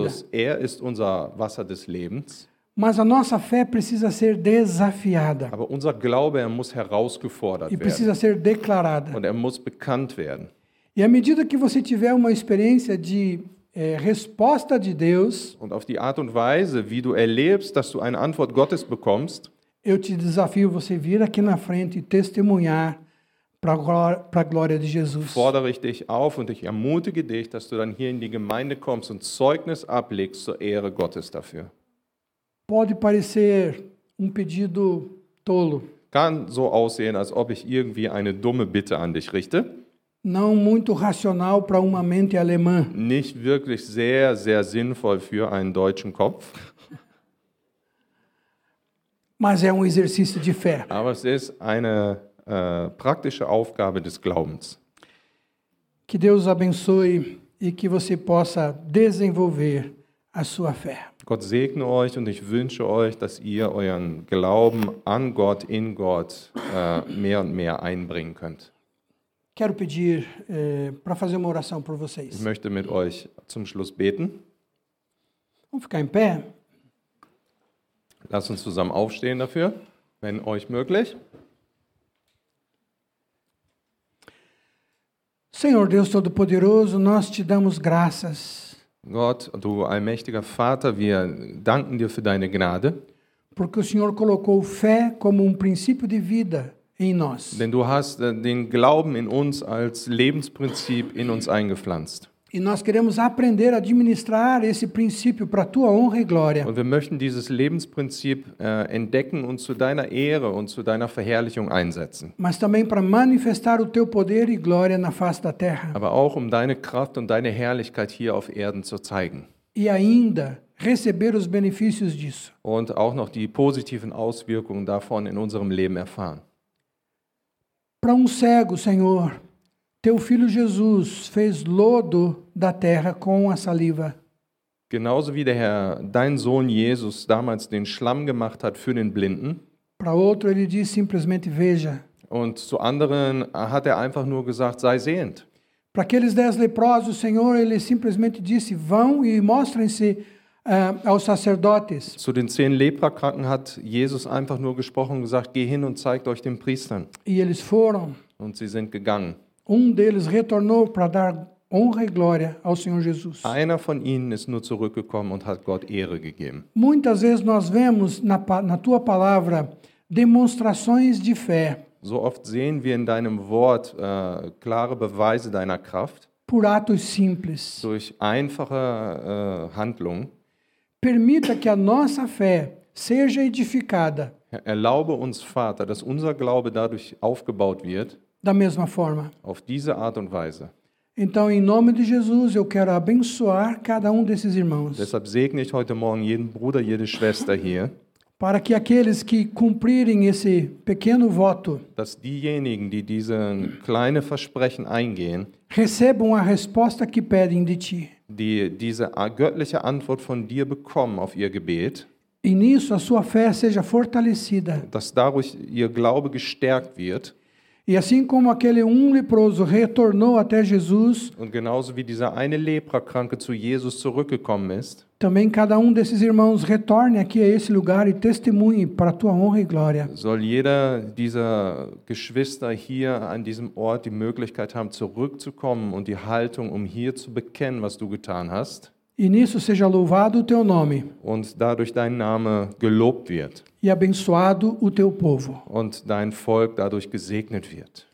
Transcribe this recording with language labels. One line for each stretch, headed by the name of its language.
German: Jesus, er ist unser Wasser des Lebens.
Portuguese: Mas a nossa fé precisa ser desafiada.
German: Aber unser Glaube, er muss herausgefordert werden.
Portuguese: E precisa ser declarada.
German: Und er muss bekannt werden.
Portuguese: E à medida que você tiver uma experiência de resposta de Deus,
German: und auf die Art und Weise, wie du erlebst, dass du eine Antwort Gottes bekommst,
Portuguese: eu te desafio você vir aqui na frente e testemunhar para a glória de Jesus.
German: Fordere ich dich auf und ich ermutige dich, dass du dann hier in die Gemeinde kommst und Zeugnis ablegst zur Ehre Gottes dafür.
Portuguese: Pode parecer pedido tolo.
German: Kann so aussehen, als ob ich irgendwie eine dumme Bitte an dich richte.
Portuguese: Não muito racional para uma mente alemã.
German: Nicht wirklich sehr, sehr sinnvoll für einen deutschen Kopf.
Portuguese: Mas é exercício de fé.
German: Aber es ist eine praktische Aufgabe des Glaubens.
Portuguese: Que Deus abençoe e que você possa desenvolver a sua fé.
German: Gott segne euch und ich wünsche euch, dass ihr euren Glauben an Gott, in Gott, mehr und mehr einbringen könnt.
Portuguese: Quero pedir para fazer uma oração por vocês.
German: Ich möchte mit euch zum Schluss beten.
Portuguese: Vamos ficar em pé.
German: Lasst uns zusammen aufstehen dafür, wenn euch möglich.
Portuguese: Senhor Deus Todo-Poderoso, nós te damos graças.
German: Gott, du allmächtiger Vater, wir danken dir für deine Gnade.
Portuguese: Porque o Senhor colocou fé como princípio de vida em nós.
German: Denn du hast den Glauben in uns als Lebensprinzip in uns eingepflanzt.
Portuguese: E nós queremos aprender a administrar esse princípio para tua honra e glória.
German: Und wir möchten dieses Lebensprinzip entdecken und zu deiner Ehre und zu deiner Verherrlichung einsetzen.
Portuguese: Mas também para manifestar o teu poder e glória na face da terra.
German: Aber auch deine Kraft und deine Herrlichkeit hier auf Erden zu zeigen.
Portuguese: E ainda receber os benefícios disso.
German: Und auch noch die positiven Auswirkungen davon in unserem Leben erfahren.
Portuguese: Para cego, Senhor, Teu filho Jesus fez lodo da terra com a saliva.
German: Genauso wie der Herr, dein Sohn Jesus damals den Schlamm gemacht hat für den Blinden.
Portuguese: Para outro ele diz simplesmente veja.
German: Und zu anderen hat einfach nur gesagt, sei sehend.
Portuguese: Para aqueles 10 leprosos, o Senhor ele simplesmente disse, vão e mostrem-se aos sacerdotes.
German: Zu den 10 Leprakranken hat Jesus einfach nur gesprochen und gesagt, geh hin und zeigt euch den Priestern.
Portuguese: E eles foram.
German: Und sie sind gegangen.
Portuguese: Deles retornou para dar honra e glória ao Senhor Jesus.
German: Einer von ihnen ist nur zurückgekommen und hat Gott Ehre gegeben.
Portuguese: Muitas vezes nós vemos na tua palavra demonstrações de fé.
German: So oft sehen wir in deinem Wort klare Beweise deiner Kraft.
Portuguese: Por atos simples.
German: Durch einfache Handlungen.
Portuguese: Permita que a nossa fé seja edificada.
German: Erlaube uns, Vater, dass unser Glaube dadurch aufgebaut wird.
Portuguese: Da mesma forma.
German: Auf diese Art und Weise.
Portuguese: Então, em nome de Jesus, eu quero abençoar cada desses irmãos.
German: Deshalb segne ich heute Morgen jeden Bruder, jede Schwester hier.
Portuguese: Para que aqueles que cumprirem esse pequeno voto.
German: Dass diejenigen, die diesen kleine Versprechen eingehen.
Portuguese: Recebam a resposta que pedem de ti.
German: Die diese göttliche Antwort von dir bekommen auf ihr Gebet.
Portuguese: E nisso a sua fé seja fortalecida.
German: Dass dadurch ihr Glaube gestärkt wird.
Portuguese: E assim como aquele leproso retornou até Jesus,
German: und genauso wie dieser eine Leprakranke zu Jesus zurückgekommen ist,
Portuguese: também cada desses irmãos retorne aqui a esse lugar e testemunhe para tua honra e glória.
German: Soll jeder dieser Geschwister hier an diesem Ort die Möglichkeit haben, zurückzukommen und die Haltung, hier zu bekennen, was du getan hast.
Portuguese: E nisso seja louvado o teu nome.
German: Und dadurch dein Name gelobt wird.
Portuguese: E abençoado o teu povo.
German: Und dein Volk dadurch gesegnet wird.